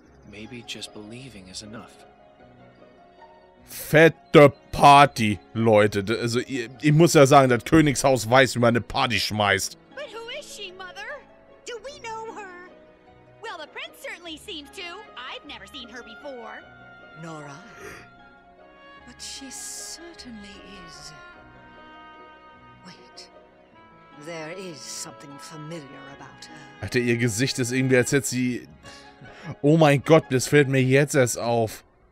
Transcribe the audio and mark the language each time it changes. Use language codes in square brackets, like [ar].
[en] Maybe just believing is enough. [de] Fette Party, Leute. Also ich muss ja sagen, das Königshaus weiß, wie man eine Party schmeißt. [en] But who is she, Mother? Do we know her? Well, the prince certainly seems to. I've never seen her before. Nor I. But she certainly is. Wait. There is something familiar about her. [de] Alter, ihr Gesicht ist irgendwie, als hätte sie... Oh mein Gott, das fällt mir jetzt erst auf.